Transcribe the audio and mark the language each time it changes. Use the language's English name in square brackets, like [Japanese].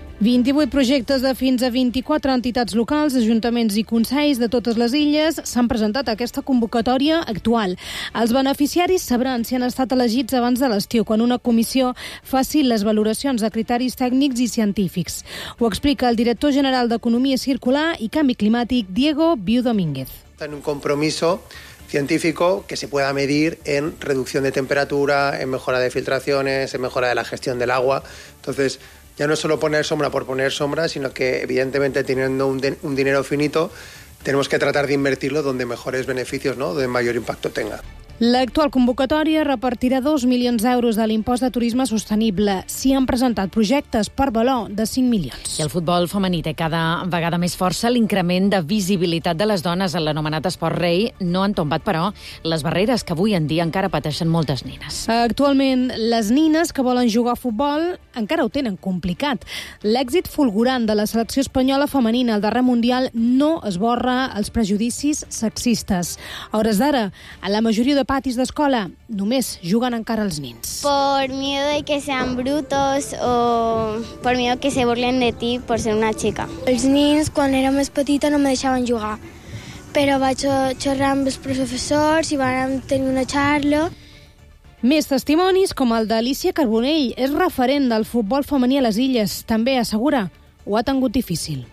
[Catalan] 28 projectes de fins a 24 entitats locals, ajuntaments i consells de totes les illes s'han presentat a aquesta convocatòria actual. Els beneficiaris sabran si han estat elegits abans de l'estiu, quan una comissió faci les valoracions de criteris tècnics i científics. Ho explica el director general d'Economia Circular i Canvi Climàtic, Diego Viu Domínguez. Tenim un compromís [Spanish] científico que se pueda medir en reducción de temperatura, en mejora de filtraciones, en mejora de la gestión del agua. Entonces, ya no es solo poner sombra por poner sombra, sino que evidentemente teniendo un dinero finito, tenemos que tratar de invertirlo donde mejores beneficios, ¿no? Donde mayor impacto tenga. [Catalan] L'actual convocatòria repartirà 2 milions d'euros de l'impost de turisme sostenible. S'hi han presentat projectes per valor de 5 milions. I el futbol femení té cada vegada més força. L'increment de visibilitat de les dones en l'anomenat esport rei no han tombat, però, les barreres que avui en dia encara pateixen moltes nines. Actualment, les nines que volen jugar a futbol encara ho tenen complicat. L'èxit fulgurant de la selecció espanyola femenina al darrer mundial no esborra els prejudicis sexistes. A hores d'ara, a la majoria de patis d'escola, només juguen encara els nins. [Spanish] Por miedo de que sean brutos o por miedo que se burlen de ti por ser una chica. [Catalan] Els nins, quan era més petita, no me deixaven jugar. Però vaig xerrar amb els professors i vam tenir una charla. Més testimonis, com el d'Alicia Carbonell, és referent del futbol femení a les Illes. També assegura ho ha tingut difícil.